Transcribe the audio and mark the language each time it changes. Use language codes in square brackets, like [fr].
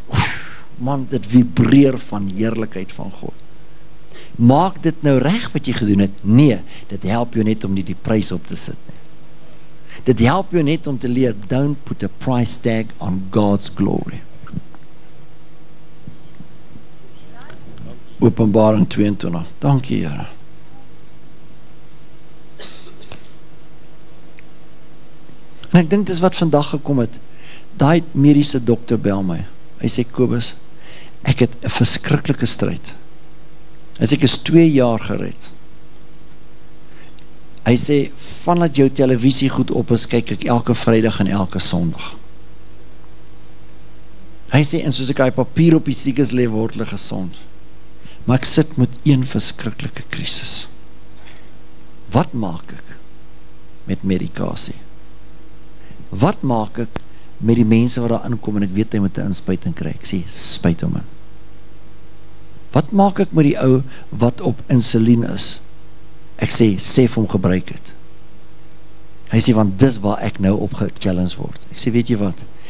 [af] Oef, man, dit vibreer van heerlijkheid van God. Maak dit nou recht wat jy gedoen het? Nee, dit help jou net om nie die prijs op te sit. Dit help jou net om te leer, [en] don't put a price tag on God's glory. [af] Openbaring 22. Dankie, Here. En ek dink dis wat vandag gekom het. Daai mediese dokter bel my. Hy sê, Kobus, ek het 'n verskriklike stryd. Hy sê, ek is 2 jaar gered. Hy sê, vandat jou televisie goed op is, kyk ek elke Vrydag en elke Sondag. Hy sê, en soos ek die papier op die siekes lê, word hulle gesond. Maar ek sit met 1 verskriklike krisis. Wat maak ek met medikasie? Wat maak ek met die mense wat daar inkom en ek weet hy moet 'n inspuiting kry? Ek sê, spuit hom in. Wat maak ek met die ou wat op insulien is? Ek sê, sê vir hom gebruik het. Hy sê, want dis waar ek nou op ge-challenge word. Ek sê, weet jy wat?